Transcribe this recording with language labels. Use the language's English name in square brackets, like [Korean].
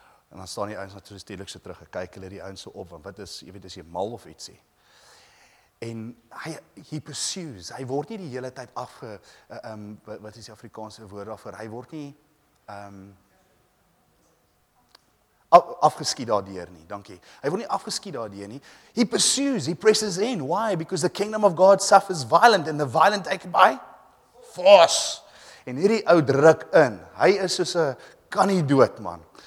[Afrikaans] En dan staan die ouens natuurlik so terug, en kyk hulle die ouens so op, want wat is, jy weet, is jy mal of iets, sê. En hy pursues, hy word nie die hele tyd wat is die Afrikaanse woord daarvoor, hy word nie afgeskiet daardeur nie, dankie. Hy word nie afgeskiet daardeur nie. [English] He pursues, he presses in. Why? Because the kingdom of God suffers violent, and the violent take it by force. [Afrikaans] En hierdie ou druk in, hy is soos 'n kan nie dood, man.